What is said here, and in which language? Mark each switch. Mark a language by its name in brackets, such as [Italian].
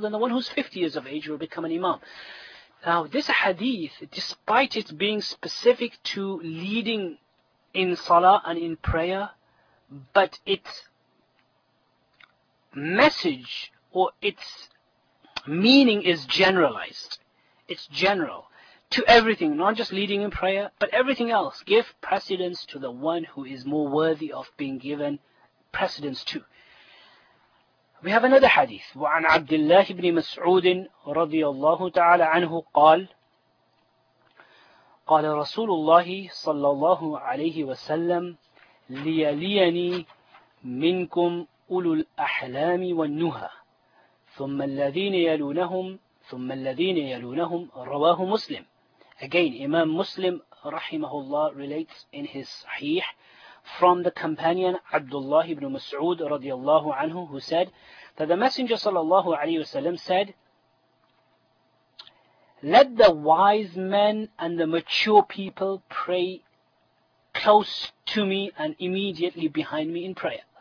[English] Then the one who's 50 years of age will become an Imam. Now this hadith, despite it being specific to leading in Salah and in prayer, but its message or its meaning is generalized. It's general to everything, not just leading in prayer, but everything else. Give precedence to the one who is more worthy of being given precedence to. We have another hadith. [Arabic] وعن عبد الله بن مسعود رضي الله تعالى عنه قال قال رسول الله صلى الله عليه وسلم ليليني منكم أولو الأحلام والنهى ثم الذين يلونهم ثم الذين يلونهم رواه مسلم. [English] Again, Imam Muslim rahimahullah relates in his Sahih from the companion Abdullah ibn Mas'ud radiyallahu anhu, who said that the Messenger sallallahu alayhi wasallam said, let the wise men and the mature people pray close to me and immediately behind me in prayer.